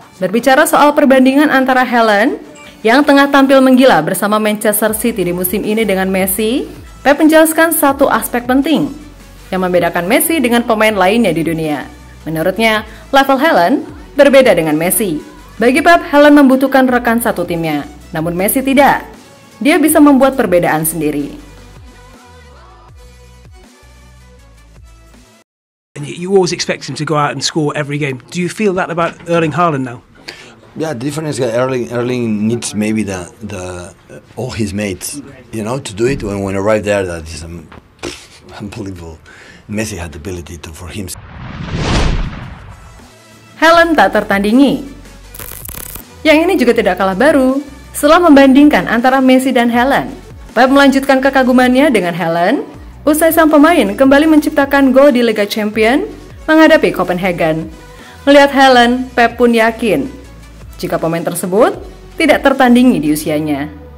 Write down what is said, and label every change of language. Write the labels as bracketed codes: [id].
[id] Berbicara soal perbandingan antara Haaland yang tengah tampil menggila bersama Manchester City di musim ini dengan Messi, Pep menjelaskan satu aspek penting yang membedakan Messi dengan pemain lainnya di dunia. Menurutnya, level Haaland berbeda dengan Messi. Bagi Pep, Haaland membutuhkan rekan satu timnya, namun Messi tidak. Dia bisa membuat perbedaan sendiri. [en] You always expect him to go out and score every game. Do you feel that about Erling Haaland now? Yeah, the difference is that Erling needs maybe all his mates, you know, to do it. When he arrived there, that is unbelievable. Messi had the ability to for him. [id] Haaland tak tertandingi. Yang ini juga tidak kalah baru. Setelah membandingkan antara Messi dan Haaland, Pep melanjutkan kekagumannya dengan Haaland. Usai sang pemain kembali menciptakan gol di Liga Champions menghadapi Copenhagen. Melihat Haaland, Pep pun yakin jika pemain tersebut tidak tertandingi di usianya.